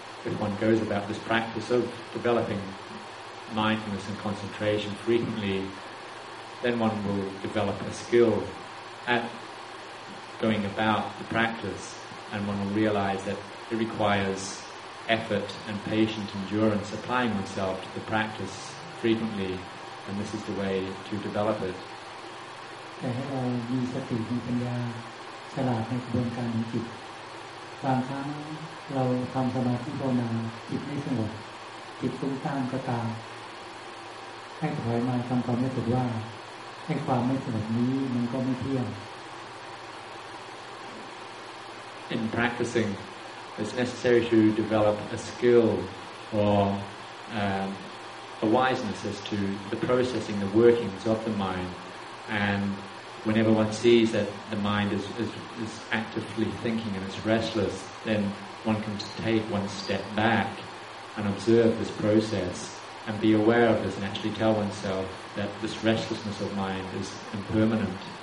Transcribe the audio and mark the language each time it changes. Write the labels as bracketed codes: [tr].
[en] If one goes about this practice of developing mindfulness and concentration frequently, then one will develop a skill at going about the practice, and one will realize that it requires effort and patient endurance applying oneself to the practice frequently. And this is the way to develop it. [th] แต่ให้เรามีสติมีปัญญาฉลาดในกระบวนการของจิตบางครั้งเราทำสมาธิภาวนาจิตไม่สงบจิตฟุ้งซ่านก็ตามให้ถอยมาทำความรู้สึกว่า ไอ้ความไม่สงบนี้มันก็ไม่เที่ยง [en] In practicing it's necessary to develop a skill or a wiseness as to the processing the workings of the mind andWhenever one sees that the mind is actively thinking and it's restless, then one can take one step back and observe this process and be aware of this and actually tell oneself that this restlessness of mind is impermanent.